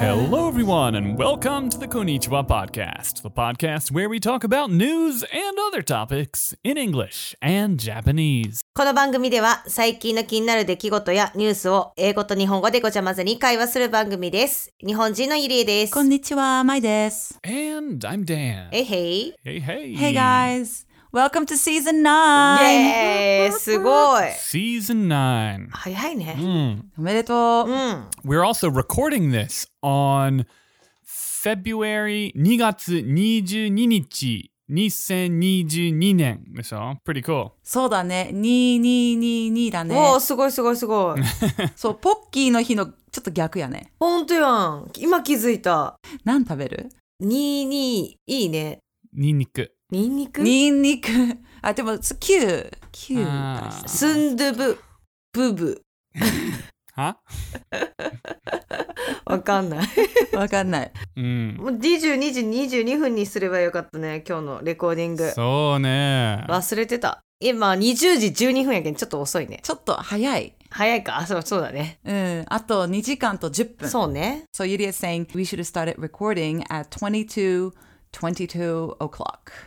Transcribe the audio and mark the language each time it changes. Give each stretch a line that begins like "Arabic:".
English: Hello, everyone, and welcome to the Konnichiwa Podcast, the podcast where we talk about news and other topics in English and Japanese.
Japanese: この番組では最近の気になる出来事やニュースを英語と日本語でごちゃ混ぜに会話する番組です。日本人のゆりえです。こんにちは、まいです。
English: And I'm Dan. Hey, hey. Hey, hey. Hey, guys. Welcome to season 9! Yay!
Japanese: すごい
English: Season 9!
Japanese: 早いね、おめでとう、
English: We're also recording this on February
Japanese: 2月22日2022年でしょ
English: Pretty cool!
Japanese: そうだね、2222だねおー、すごいすごいすごいそう、ポッキーの日のちょっと逆やねほんとやん今気づいた何食べる 22いいねニンニクニンニク？ニンニク。あ、でも、キュー。キュー。スンドゥブ、ブブ。はわかんない。わかんない。うん。もう22時22分にすればよかったね、今日のレコーディング。そうね。忘れてた。今、20時12分やけん、ちょっと遅いね。ちょっと早い。早いか。そうだね。うん。あと2時間と10分。そうね。
English: So, Yuri is saying, we should start recording at 22 o'clock.